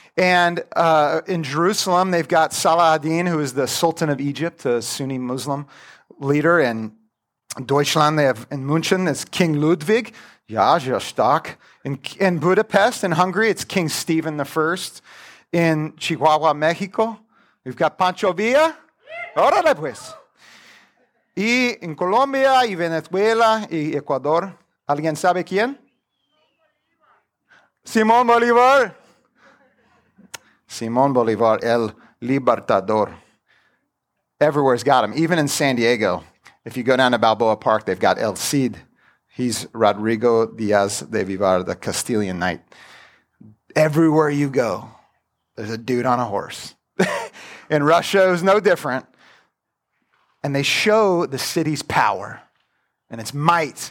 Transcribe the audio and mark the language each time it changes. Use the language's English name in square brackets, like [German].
[English] And in Jerusalem, they've got Salah ad-Din, who is the Sultan of Egypt, the Sunni Muslim leader. In Deutschland, they have in München, it's King Ludwig. Jajastak. In Budapest, in Hungary, it's King Stephen I. In Chihuahua, Mexico, We've got Pancho Villa. [Spanish] Órale, pues. Y en Colombia, y Venezuela, y Ecuador. ¿Alguien sabe quién? Simón Bolívar. Simón Bolívar, el libertador. [English] Everywhere's got him. Even in San Diego, if you go down to Balboa Park, they've got El Cid. He's Rodrigo Diaz de Vivar, the Castilian knight. Everywhere you go, there's a dude on a horse. In Russia, it was no different. And they show the city's power and its might.